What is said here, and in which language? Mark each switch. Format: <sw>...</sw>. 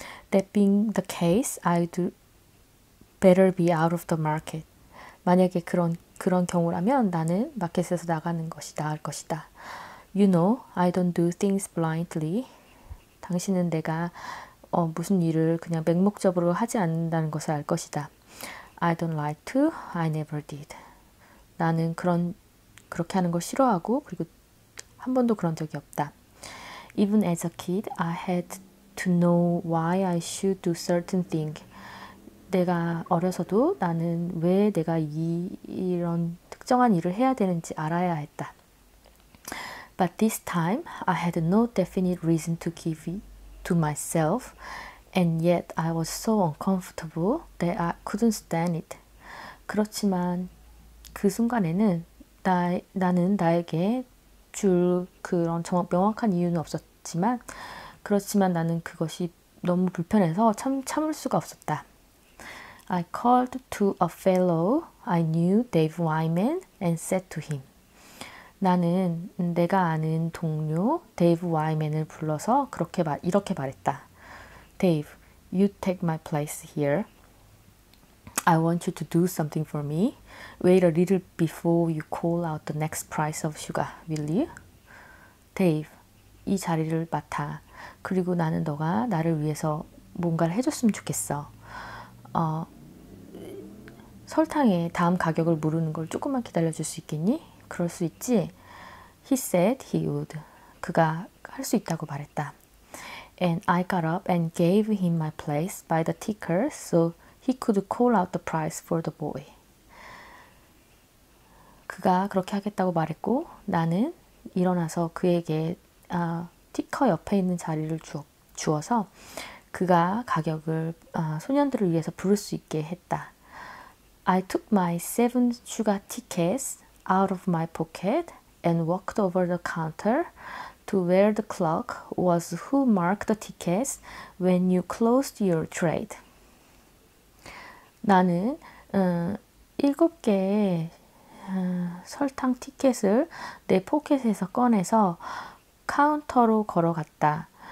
<en>That being the case, I do better be out of the market.</en> <ko>만약에 그런 경우라면 나는 마켓에서 나가는 것이 나을 것이다.</ko> <en>You know, I don't do things blindly.</en> <ko>당신은 내가 무슨 일을 그냥 맹목적으로 하지 않는다는 것을 알 것이다.</ko> <en>I don't like to. I never did.</en> <ko>나는 그렇게 하는 걸 싫어하고, 그리고 한 번도 그런 적이 없다.</ko> <en>Even as a kid, I had to know why I should do certain things.</en> <ko>내가 어려서도 나는 왜 내가 이런 특정한 일을 해야 되는지 알아야 했다.</ko> <en>But this time, I had no definite reason to give to myself, and yet I was so uncomfortable that I couldn't stand it.</en> <ko>그렇지만 그 순간에는 나는 나에게 줄 그런 명확한 이유는 없었지만, 그렇지만 나는 그것이 너무 불편해서 참을 수가 없었다.</ko> <en>I called to a fellow I knew, Dave Wyman, and said to him.</en> <ko>나는 내가 아는 동료 데이브 와이맨을 불러서 이렇게 말했다.</ko> <en>Dave, you take my place here. I want you to do something for me. Wait a little before you call out the next price of sugar, will you?</en> <ko>Dave, 이 자리를 맡아. 그리고 나는 너가 나를 위해서 뭔가를 해줬으면 좋겠어. 설탕의 다음 가격을 모르는 걸 조금만 기다려줄 수 있겠니? 그럴 수 있지?</ko> <en>He said he would.</en> <ko>그가 할수 있다고 말했다.</ko> <en>And I got up and gave him my place by the ticker so he could call out the price for the boy.</en> <ko>그가 그렇게 하겠다고 말했고, 나는 일어나서 그에게 티커 옆에 있는 자리를 주어서 그가 가격을 소년들을 위해서 부를 수 있게 했다.</ko> <en>I took my 7 sugar tickets out of my pocket and walked over the counter to where the clerk was who marked the tickets when you closed your trade.</en> <ko>나는 7개의 설탕 티켓을 내 포켓에서 꺼내서 카운터로 걸어갔다.</ko>